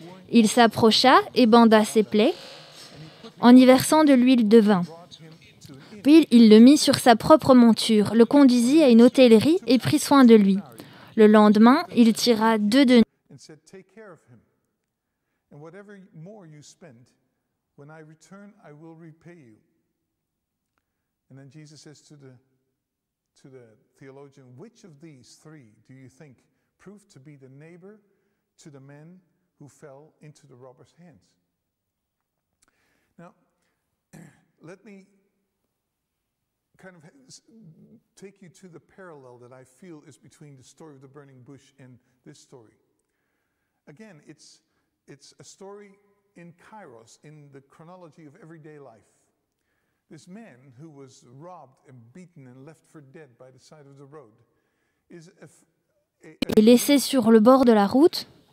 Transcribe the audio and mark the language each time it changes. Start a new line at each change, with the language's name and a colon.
French: Il s'approcha et banda ses plaies en y versant de l'huile de vin. Puis il le mit sur sa propre monture, le conduisit à une hôtellerie et prit soin de lui. Le lendemain, il tira 2 deniers. Et Jésus dit au théologien,
English: « Which of these three do you think proved to be the neighbor to the men who fell into the robber's hands? » Now, let me kind of take you to the parallel that I feel is between the story of the burning bush and this story. Again, it's a story in Kairos, in the chronology of everyday life. This man who was robbed and beaten and left for dead by the side of the road is
French: est laissé sur le bord de la route.